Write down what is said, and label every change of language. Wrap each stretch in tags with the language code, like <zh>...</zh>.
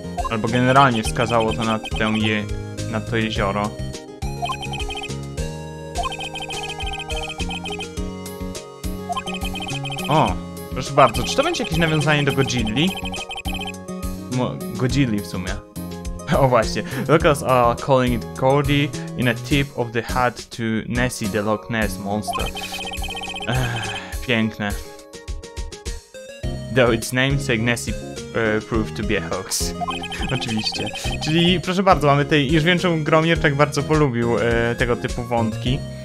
<pl>Albo generalnie wskazało to na to jezioro. O, proszę bardzo, czy to będzie jakieś nawiązanie do Godzilli? Godzilli w sumie. O właśnie.</pl> <en>Locals are calling it Gordy in a tip of the hat to Nessie the Loch Ness Monster.</en> <pl>Piękne.</pl> <en>Though its namesake Nessie proved to be a hoax.</en> <pl>Oczywiście. Czyli proszę bardzo, mamy tej. Już wiem, czemu Gromier tak bardzo polubił tego typu wątki.</pl>